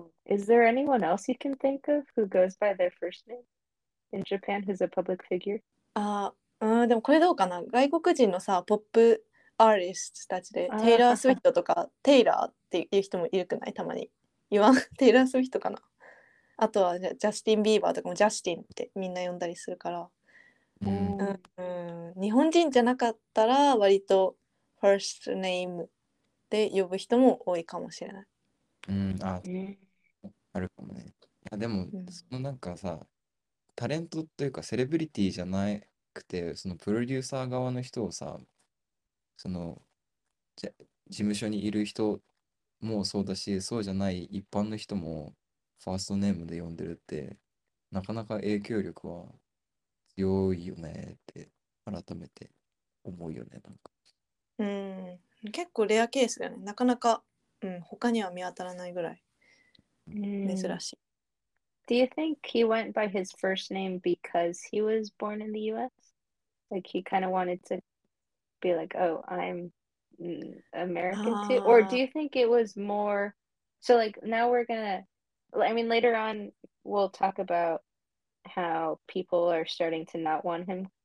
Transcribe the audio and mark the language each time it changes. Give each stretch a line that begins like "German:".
English: Is there anyone else you can think of who goes by their first name? in Japan who's a public figure?
Japanese: でもこれどうかな。外国人のさ、ポップアーティストたちで、テイラー・スウィフトとか、テイラーっていう人もいるくない？たまに。言わん？テイラー・スウィフトかな。あとはジャスティン・ビーバーとかもジャスティンってみんな呼んだりするから。日本人じゃなかったら割とファーストネームで呼ぶ人も多いかもしれない。あるかもね。でも、そのなんかさ、タレントというかセレブリティじゃなくて、そのプロデューサー側の人をさ、その事務所にいる人もそうだし、そうじゃない一般の人もファーストネームで呼んでるって、なかなか影響力は強いよねって改めて思うよね、なんか。結構レアケースだよね。なかなか、他には見当たらないぐらい珍しい。
English: Do you think he went by his first name because he was born in the US? Like he kind of wanted to be like, oh, I'm American too? Or do you think it was more... So like now we're gonna... I mean, later on we'll talk about how people are starting to not want him...